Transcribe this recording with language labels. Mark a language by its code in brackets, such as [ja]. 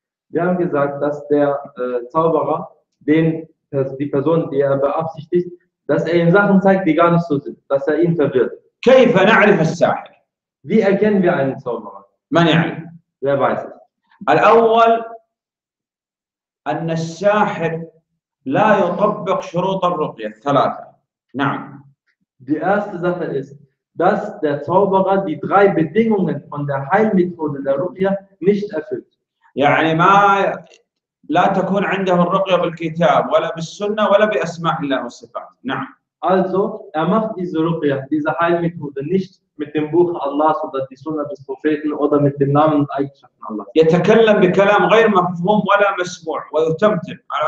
[de] Wir haben gesagt, dass der Zauberer den die Person, die er beabsichtigt, dass er ihm Sachen zeigt, die gar nicht so sind, dass er ihn verwirrt. [ar] كيف نعرف الساحر؟ [de] Wie erkennen wir einen Zauberer؟ [ar] من يعلم؟ [de] Wer weiß؟ [ar] الأول أن الساحر لا يطبق شروط الرقية الثلاثة. نعم. [de] Die erste Sache ist, dass der Zauberer die drei Bedingungen von der Heilmethode der Rukya nicht erfüllt. [ar] يعني ما لا تكون عنده الرقية بالكتاب ولا بالسنة ولا بأسماء الله والصفات. نعم. [de] Also, macht diese Ruqya, diese Heilmethode nicht mit dem Buch Allahs oder die Sunna des Propheten oder mit den Namen und Eigenschaften Allahs. [ar] يتكلم بكلام غير مفهوم ولا مسموع ويتمتم.